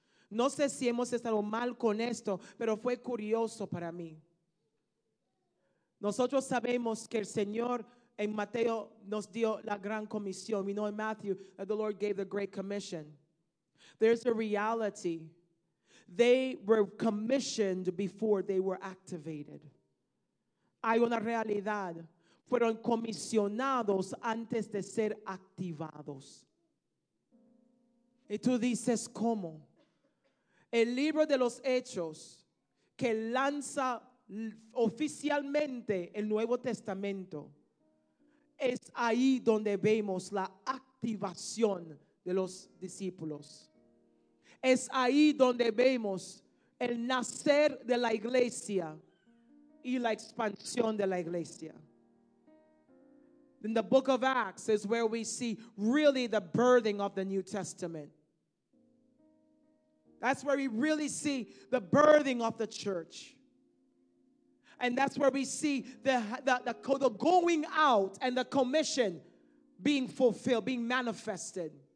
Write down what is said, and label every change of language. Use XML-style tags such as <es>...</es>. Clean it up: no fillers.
<es>No sé si hemos estado mal con esto, pero fue curioso para mí. Nosotros sabemos que el Señor en Mateo nos dio la gran comisión.</es> <en>We know in Matthew that the Lord gave the great commission. There's a reality. They were commissioned before they were activated.</en> <es>Hay una realidad. Fueron comisionados antes de ser activados. Y tú dices, ¿cómo? El libro de los Hechos que lanza oficialmente el Nuevo Testamento es ahí donde vemos la activación de los discípulos. Es ahí donde vemos el nacer de la iglesia y la expansión de la iglesia.</es> <en>In the book of Acts is where we see really the birthing of the New Testament. That's where we really see the birthing of the church. And that's where we see the going out and the commission being fulfilled, being manifested.</en>